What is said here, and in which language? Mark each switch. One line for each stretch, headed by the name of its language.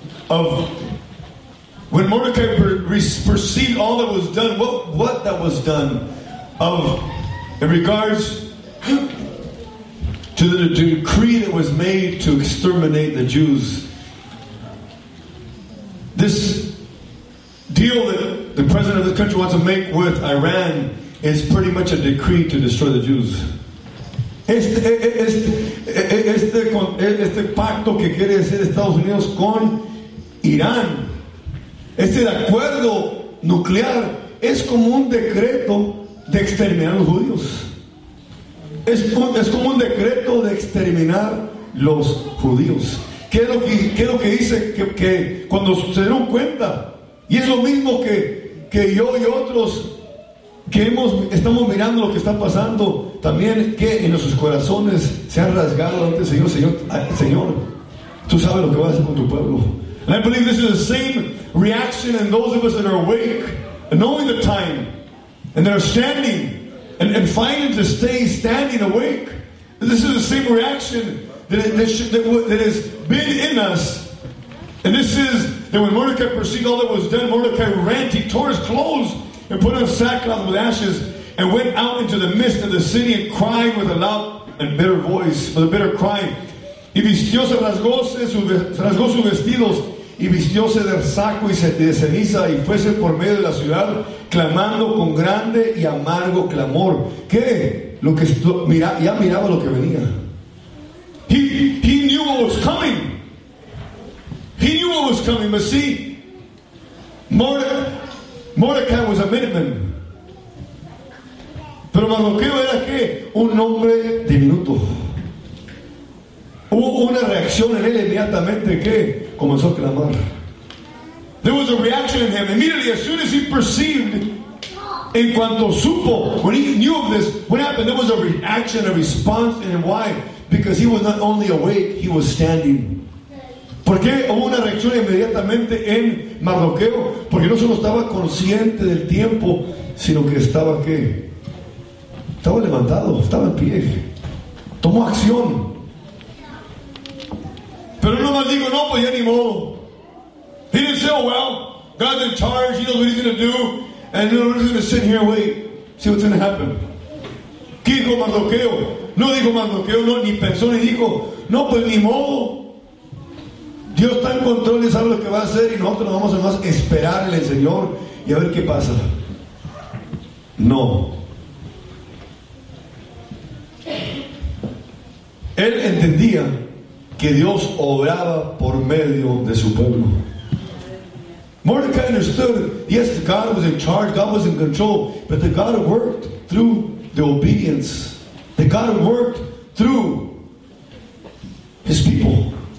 English: Of when Mordecai perceived all that was done, what that was done of in regards to the decree that was made to exterminate the Jews. This deal that the president of this country wants to make with Iran is pretty much a decree to destroy the Jews.
Spanish: Este pacto que quiere hacer Estados Unidos con Irán, este acuerdo nuclear es como un decreto de exterminar a los judíos. Es como un decreto de exterminar los judíos. ¿Qué es lo que dice que cuando se dieron cuenta? Y es lo mismo que yo y otros que estamos mirando lo que está pasando, también que en nuestros corazones se han rasgado ante el Señor. Señor, tú sabes lo que vas a hacer con tu pueblo.
English: And I believe this is the same reaction in those of us that are awake, knowing the time, and that are standing, and fighting to stay standing awake. This is the same reaction that has been in us. And this is that when Mordecai perceived all that was done, Mordecai ran, he tore his clothes, and put on sackcloth with ashes, and went out into the midst of the city, and cried with a loud and bitter voice, with a bitter cry.
Spanish: Y vistióse, rasgó sus vestidos, y vistióse del saco y de ceniza, y fuese por medio de la ciudad, clamando con grande y amargo clamor. ¿Qué? Ya miraba lo que venía.
English: He knew what was coming. He knew what was coming, but see, Mordecai was a minuteman.
Spanish: Pero Mardoqueo era que un hombre diminuto. Hubo una reacción en él inmediatamente que comenzó a clamar.
English: There was a reaction in him. Immediately, as soon as he perceived,
Spanish: en cuanto supo,
English: when he knew of this, what happened? There was a reaction, a response in him. Why? Because he was not only awake, he was standing.
Spanish: ¿Por qué hubo una reacción inmediatamente en Mardoqueo? Porque no solo estaba consciente del tiempo, sino que estaba ¿qué? Estaba levantado, estaba en pie. Tomó acción. Pero no más digo, no, pues ya ni modo.
English: He didn't say, oh well, God's in charge, he knows what he's going to do, and then we're just going to sit here and wait, see what's going to happen.
Spanish: ¿Qué dijo Mardoqueo? No dijo Mardoqueo, no, ni pensó ni dijo, no, pues ni modo. Dios está en control y sabe lo que va a hacer, y nosotros nos vamos a más esperarle al Señor y a ver qué pasa. No. Él entendía que Dios obraba por medio de su pueblo.
English: Mordecai understood, yes, God was in charge, God was in control, but that God worked through the obedience, that God worked through his people.